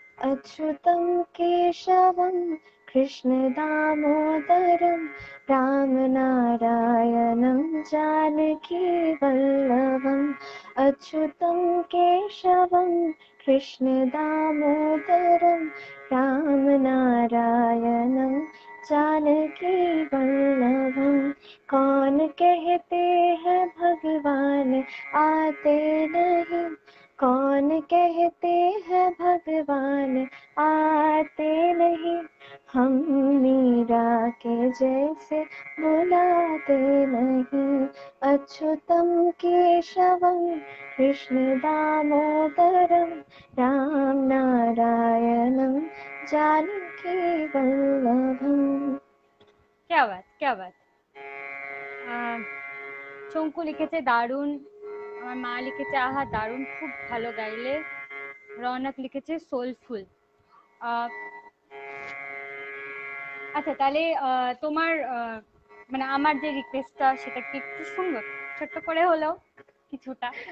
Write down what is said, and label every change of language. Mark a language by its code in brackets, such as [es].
[sa] অচ্যুতম কেশবম কৃষ্ণ দামোদরম রাম নারায়ণম জানকি বল্লভম, অচ্যুতম কেশবম কৃষ্ণ দামোদরম রাম নারায়ণম জানকি বল্লভম, [hi] কন কহতে হ্যায় ভগবান আতে নহি, কন কহতে হ্যায় ভগবান আতে নহি, हम मीरा के जैसे बुलाते नहीं, [sa] अच्युतम केशवम कृष्ण दामोदरम राम नारायणम जानकी वल्लभम। [hi] क्या बात क्या बात। [bn] চঙ্কু লিখেছে দারুণ, আমার মা লিখেছে আহা দারুণ, খুব ভালো গাইলে। রৌনক লিখেছে সোলফুল। আচ্ছা তাহলে তোমার মানে আমার যে রিকোয়েস্টটা সেটা কি একটু শুনবো ছোট্ট করে হলো কিছুটা?